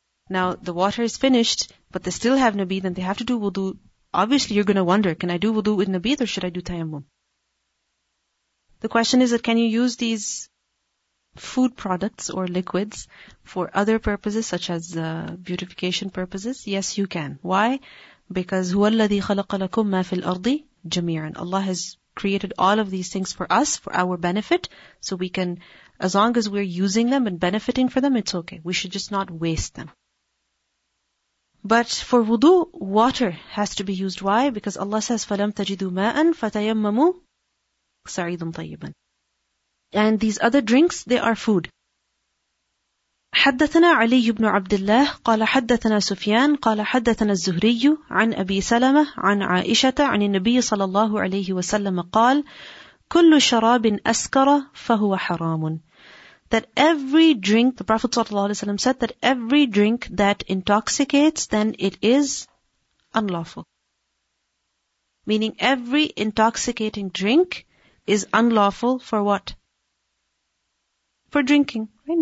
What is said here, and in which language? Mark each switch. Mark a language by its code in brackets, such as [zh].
[en] Now the water is finished, but they still have nabidh and they have to do wudu. Obviously you're going to wonder, can I do wudu with nabidh or should I do tayammum? The question is that can you use these food products or liquids for other purposes, such as beautification purposes? Yes, you can. Why? [ar] Because هو الذي خلق لكم ما في الأرض جميعا. [en] Allah has created all of these things for us, for our benefit, so we can, as long as we're using them and benefiting from them, it's okay. We should just not waste them. But for wudu, water has to be used. Why? Because Allah says, [ar] فَلَمْ تَجِدُوا مَاءً فَتَيَمَّمُوا سَعِيدٌ طَيِّبًا. [en] And these other drinks, they are food. [ar] حدثنا علي بن عبد الله قال حدثنا سفيان قال حدثنا الزهري عن أبي سلمة عن عائشة عن النبي صلى الله عليه وسلم قال كل شراب أسكر فهو حرام. [en] That every drink, the Prophet صلى الله عليه وسلم said that every drink that intoxicates, then it is unlawful. Meaning every intoxicating drink is unlawful for what? For drinking, right?